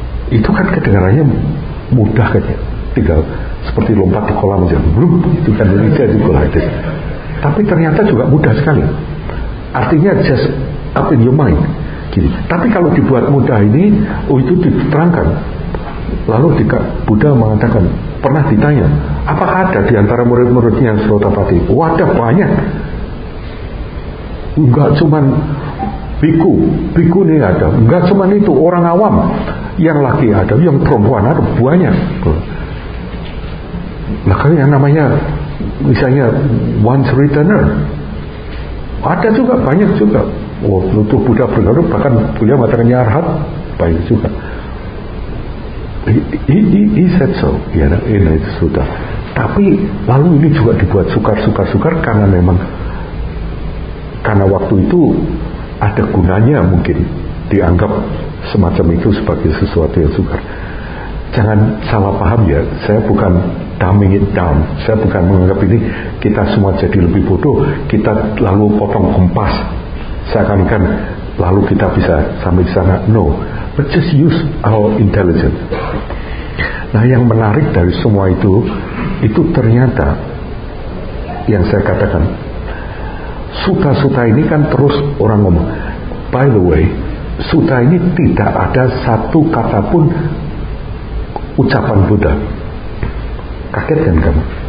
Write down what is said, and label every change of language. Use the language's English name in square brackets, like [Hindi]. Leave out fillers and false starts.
[Indonesian] Itu kan kedengarannya mudah kan ya. Tinggal seperti lompat di kolam aja. Blum, itu kan Indonesia juga itu. Tapi ternyata juga mudah sekali. [English] Artinya just up in your mind. [Indonesian] Gini. Tapi kalau dibuat mudah ini, oh itu diterangkan. Lalu Buddha mengatakan, pernah ditanya, apakah ada di antara murid-muridnya yang Srotapati? Wadah banyak. Enggak cuma biku, biku ini ada. Enggak cuma itu, orang awam. Yang laki ada, yang perempuan ada, banyak. Nah kalau yang namanya misalnya [English] once returner [Indonesian] ada juga, banyak juga. Oh, untuk Buddha berkata, bahkan punya matanya arhat, banyak juga. [English] He said so, [Indonesian] ya, ini sudah. Tapi lalu ini juga dibuat sukar-sukar-sukar karena memang karena waktu itu ada gunanya mungkin dianggap semacam itu sebagai sesuatu yang sukar. Jangan salah paham ya, saya bukan [English] dumbing it down, [Indonesian] saya bukan menganggap ini kita semua jadi lebih bodoh, kita lalu potong kompas seakan-akan lalu kita bisa sampai di sana. [English] No, but just use our intelligence. [Indonesian] Nah yang menarik dari semua itu ternyata yang saya katakan, suta-suta ini kan terus orang ngomong. [English] By the way, [Indonesian] suta ini tidak ada satu kata pun ucapan Buddha. Kaget kan kamu?